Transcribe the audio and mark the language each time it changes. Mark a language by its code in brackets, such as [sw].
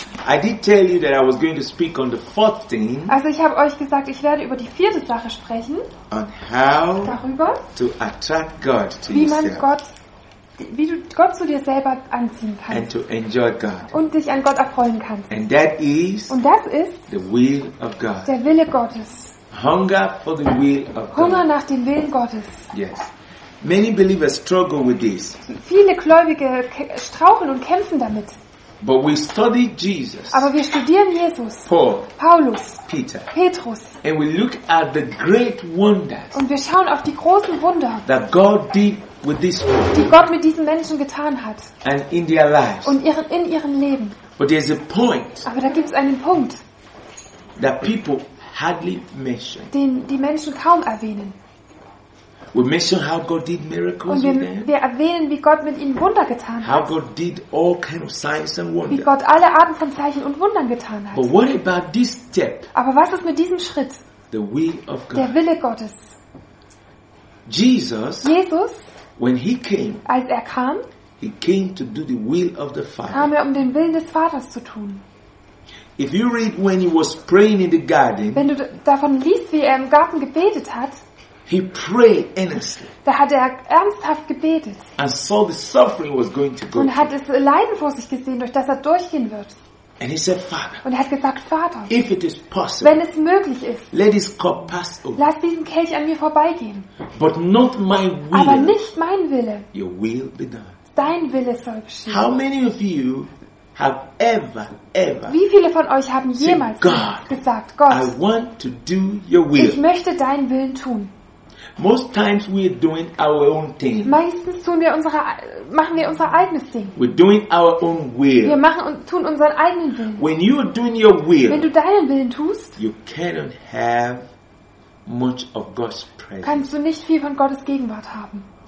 [en] I did tell you that I was going to speak on the fourth thing. [de] Also ich habe euch gesagt, ich werde über die vierte Sache sprechen. [en] On how [de] darüber, [en] to attract God to [de] wie [en] yourself. [de] Wie man Gott wie du Gott zu dir selber anziehen kannst. [en] And to enjoy God. [de] Und dich an Gott erfreuen kannst. [en] And that is [de] und das ist [en] the will of God. [de] Der Wille Gottes. [en] Hunger for the will of [de] Hunger [en] God. [de] Nach dem Willen Gottes. [en] Yes. Many believers struggle with this. [de] Viele Gläubige straucheln und kämpfen damit. [en] But we study Jesus. [de] Aber wir studieren Jesus. [en] Paul. [de] Paulus. [en] Peter. [de] Petrus. [en] And we look at the great wonders. [de] Und wir schauen auf die großen Wunder. [en] That God did with this world. [de] Die Gott mit diesen Menschen getan hat. [en] And in their lives. [de] Und in ihrem Leben. [en] But there's a point. [de] Aber da gibt's einen Punkt. [en] That people hardly mention. [de] Den die Menschen kaum erwähnen. [en] We mention how God did miracles [de] und wir erwähnen, wie Gott mit ihnen Wunder getan hat. [en] How God did all kind of signs and wonders. [de] Wie Gott alle Arten von Zeichen und Wundern getan hat. [en] But what about this step? [de] Aber was ist mit diesem Schritt? [en] The will of God. [de] Der Wille Gottes. [en] Jesus, when he came, [de] als er kam, [en] he came to do the will of the Father. [de] Kam er, um den Willen des Vaters zu tun. [en] If you read when he was praying in the garden, [de] wenn du davon liest, wie er im Garten gebetet hat, [en] he prayed earnestly. [de] Da hat er ernsthaft gebetet. [en] And saw the suffering was going to go. [de] Und hat das Leiden vor sich gesehen, durch das er durchgehen wird. [en] And he said, Father. [de] Und er hat gesagt, Vater. [en] If it is possible. [de] Wenn es möglich ist. [en] Let this cup pass over. [de] Lass diesen Kelch an mir vorbeigehen. [en] But not my will. [de] Aber nicht mein Wille. [en] Your will be done. [de] Dein Wille soll geschehen. [en] How many of you have ever [de] wie viele von euch haben jemals gesagt, Gott, [en] I want to do your will. [de] Ich möchte deinen Willen tun. [en] Most times we are doing our own thing. [de] Meistens tun wir unsere, machen wir unser eigenes Ding. [en] We're doing our own will. [de] Wir machen und tun unseren eigenen Willen. [en] When you are doing your will, [de] wenn du deinen Willen tust, [en] you cannot have much of God's presence. [de] Kannst du nicht viel von Gottes Gegenwart haben.